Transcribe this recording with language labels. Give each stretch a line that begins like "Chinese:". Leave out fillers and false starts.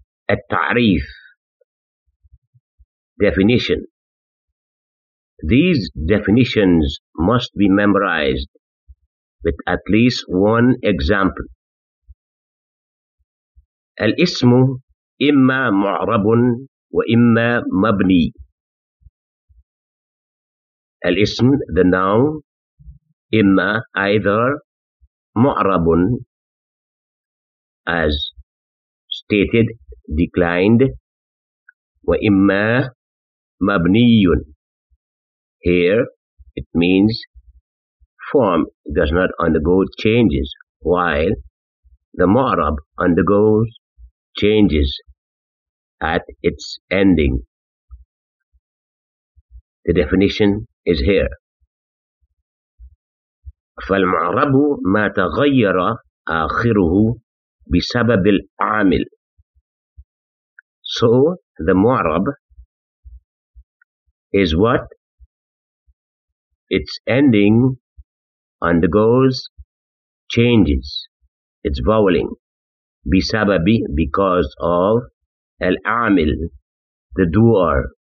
English: التعريف Definition These definitions must be memorized with at least one example.
Arabic: الاسم إما معرب وإما مبني. الاسم
English: the noun
Arabic: إما
English: either معرب as stated declined
Arabic: وإما مبني.
English: Here it means form does not undergo changes while the معرب undergoes changes at its ending. The definition is here.
Arabic: فالمعرب ما تغير آخره بسبب العامل.
English: So the معرب is what its ending undergoes changes, its voweling.
Arabic: بسبب
English: because of العامل the doer.